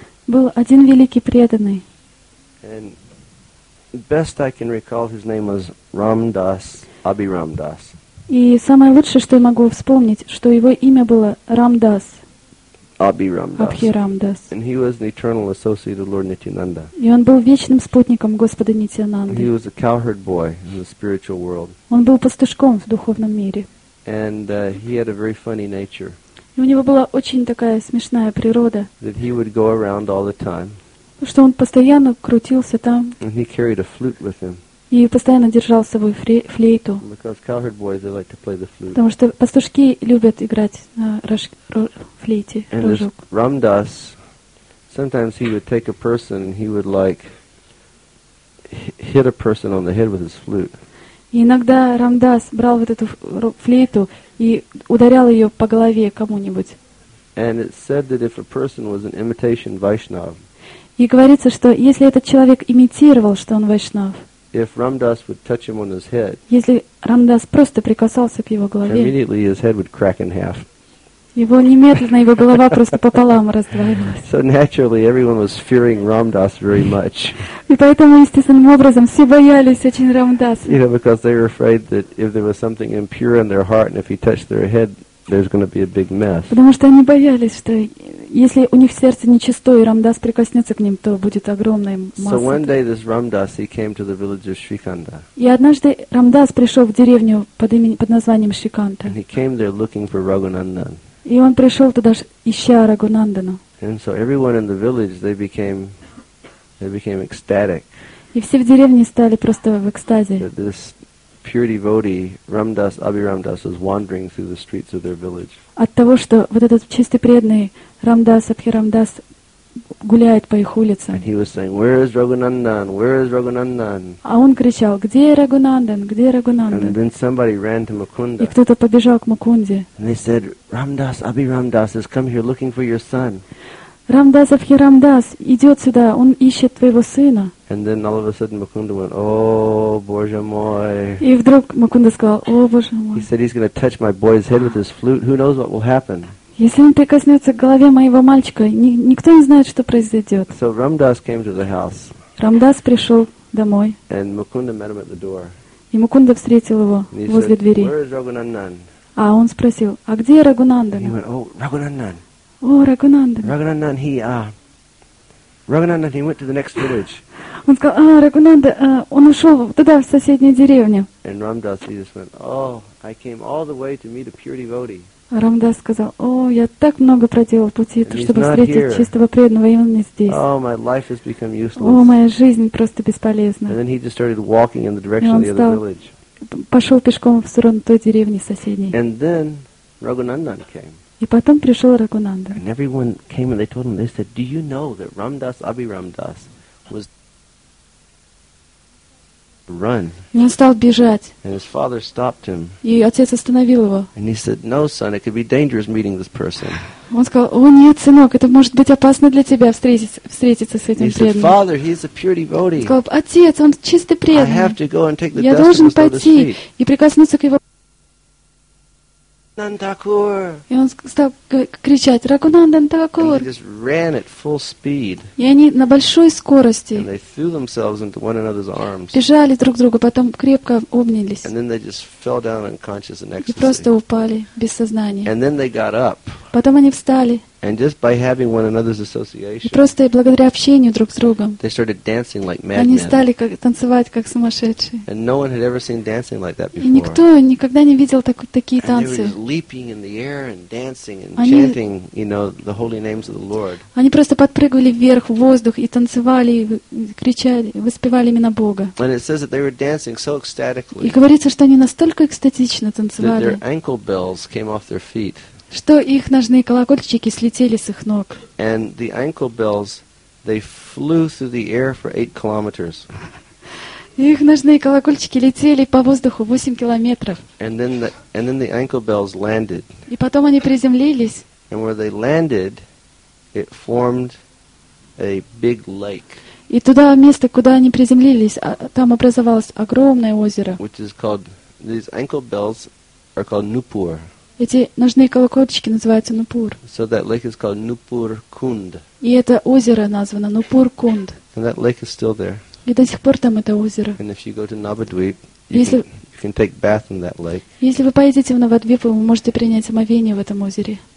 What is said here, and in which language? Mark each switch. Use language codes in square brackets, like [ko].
[ru] Был один великий преданный. [en] And best I can recall, his name was Рамдас, Абирамдас. [ru] И самое лучшее, что я могу вспомнить, что его имя было Рамдас. Абхирамдас. [en] And he was an eternal associate of Lord Nityananda. [ru] И он был вечным спутником Господа Нитянанды. [en] He was a cowherd boy in the spiritual world. [ru] Он был пастушком в духовном мире. [en] And he had a very funny nature. [ru] И у него была очень такая смешная природа. [en] That he would go around all the time. [ru] что он постоянно крутился там. [en] And he carried a flute with him. [ru] И постоянно держал с собой флейту. [en] Because cowherd boys, they like to play the flute. [ru] Потому что пастушки любят играть на флейте. [en] And Ramdas, sometimes he would take a person and he would like hit a person on the head with his flute. [ru] И иногда Рамдас брал вот эту флейту и ударял ее по голове кому-нибудь. И говорится, что если этот человек имитировал, что он вайшнав, если Рамдас просто прикасался к его голове, его немедленно его голова просто пополам раздвоилась. [en] So naturally everyone was fearing Ramdas very much. [ru] И поэтому естественным образом все боялись очень Рамдаса. [en] You know, because they were afraid that if there was something impure in their heart and if he touched their head, there's going to be a big mess. [ru] Потому что они боялись, что если у них сердце нечистое и Рамдас прикоснется к ним, то будет огромная масса. [en] So one day this Ramdas, he came to the village of Shrikanda. [ru] И однажды Рамдас пришел в деревню под названием Шриканта. [en] And he came there looking for Raghunanda. [ru] И он пришел туда, ища Рагунандану. [en] And so everyone in the village, they became ecstatic. [ru] И все в деревне стали просто в экстазе. [en] That this pure devotee, Ramdas, Abhiramdas, was wandering through the streets of their village. [ru] От того, что вот этот чистый преданный Рамдас, Абхирамдас, гуляет по их улицам. [en] And he was saying, "Where is Рагунандан? Where is Рагунандан?" [ru] А он кричал, "Где Рагунандан? Где Рагунандан?" [en] And then somebody ran to Mukunda. [ru] И кто-то побежал к Мукунде. [en] And they said, "Рамдас, Абхирамдас, has come here looking for your son." [ru] Рамдас, Абхирамдас, идет сюда, он ищет твоего сына. [en] And then all of a sudden Mukunda went, "Oh, [ru] Боже мой!" И вдруг Мукунда сказал, "О, Боже мой!" [en] He said, "He's going to touch my boy's head with his flute. Who knows what will happen?" [ru] Если он прикоснется к голове моего мальчика, никто не знает, что произойдет. [en] So Ramdas came to the house. [ru] Рамдас пришел домой. [en] And Mukunda met him at the door. [ru] И Мукунда встретил его возле двери. [en] Where is Raghunandan? [ru] А он спросил, а где Рагунандан? [en] He went, "Oh, Raghunandan." [ru] О, Рагунандан. [en] Raghunandan, he went to the next village. [ru] Он сказал, а, Рагунанда, он ушел туда, в соседнюю деревню. [en] And Ramdas, he just went, "Oh, I came all the way to meet a pure devotee." [ru] Рамдас сказал, «О, я так много проделал пути, чтобы встретить [en] here. [ru] Чистого преданного, и он не здесь. О, моя жизнь просто бесполезна». И он стал, пошел пешком в сторону той деревни соседней. [en] And then Raghunandan came. [ru] И потом пришел Рагунанда. И все пришли, и они сказали, [en] «Do you know that Ramdas Abhiramdas was run?» [ru] И он стал бежать. [en] And his father stopped him. [ru] И отец остановил его. [en] And he said, "No, son, it could be dangerous meeting this person." [ru] Он сказал, "О, нет, сынок, это может быть опасно для тебя встретиться с этим преданным." [en] He said, "Father, he's a pure devotee." [ru] Он сказал, "Отец, он чистый преданный. [en] I have to go and take the [ru] Я [en] dust [ru] должен [en] and throw [ru] пойти [en] the street. [ru] И прикоснуться к его Нантакур. И он стал кричать, "Рагунандан Такур!" [en] And he just ran at full speed. [ru] И они на большой скорости. [en] And they threw themselves into one another's arms. [ru] Бежали друг к другу, потом крепко обнялись. [en] And then they just fell down unconscious in ecstasy. [ru] И просто упали без сознания. [en] And then they got up. [ru] Потом они встали. [en] And just by having one another's association. [ru] И просто благодаря общению друг с другом. [en] They started dancing like madmen. [ru] Они стали танцевать как сумасшедшие. [en] And no one had ever seen dancing like that before. [ru] И никто никогда не видел такие танцы. [en] And they were leaping in the air and dancing and chanting, you know, the holy names of the Lord. [ru] Они просто подпрыгивали вверх в воздух и танцевали, кричали, воспевали имена Бога. [en] And it says that they were dancing so ecstatically. [ru] И говорится, что они настолько экстатично танцевали. [en] That their ankle bells came off their feet. [ru] Что их ножные колокольчики слетели с их ног. [en] And the ankle bells, they flew through the air for 8 kilometers. [ru] Их ножные колокольчики летели по воздуху 8 километров. [en] And then the ankle bells landed. [ru] И потом они приземлились. [en] And where they landed, it formed a big lake. [ru] И туда место, куда они приземлились, там образовалось огромное озеро. [en] Which is called, these ankle bells are called Nupur. [ru] Эти ножные колокольчики называются Нупур. [en] So that lake is called Nupur Kund. [ru] И это озеро названо Нупур Кунд. [en] And that lake is still there. [ru] И до сих пор там это озеро. [en] And if you go to Navadvip, you can take bath in that lake. [ru] Если вы поедете в Навадвип, вы можете принять омовение в этом озере.